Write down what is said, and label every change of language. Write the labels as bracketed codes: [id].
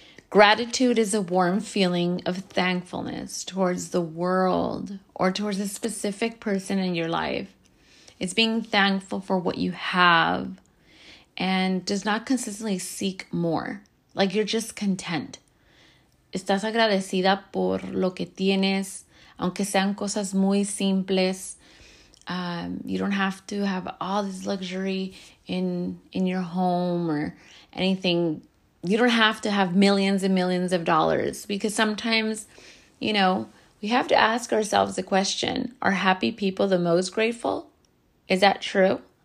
[en] Gratitude is a warm feeling of thankfulness towards the world or towards a specific person in your life. It's being thankful for what you have and does not consistently seek more. Like, you're just content. [es] Estás agradecida por lo que tienes, aunque sean cosas muy simples. [en] You don't have to have all this luxury in your home or anything. You don't have to have millions and millions of dollars, because sometimes, you know, we have to ask ourselves the question, are happy people the most grateful? Is that true?